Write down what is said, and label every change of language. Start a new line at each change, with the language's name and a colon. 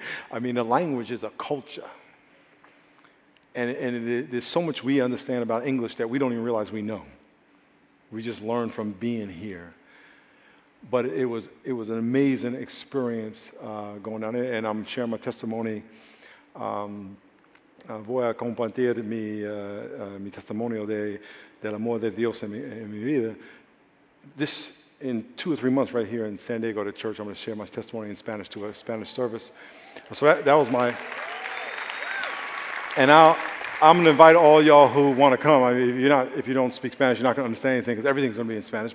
English: I mean, the language is a culture. And there's so much we understand about English that we don't even realize we know. We just learn from being here. But it was an amazing experience going down there. And I'm sharing my testimony.
Spanish: Voy a compartir mi testimonio del amor de Dios en mi vida.
English: This, in 2 or 3 months right here in San Diego at a church, I'm going to share my testimony in Spanish to a Spanish service. So that was my... And I'm going to invite all y'all who want to come. I mean, if you don't speak Spanish, you're not going to understand anything because everything's going to be in Spanish.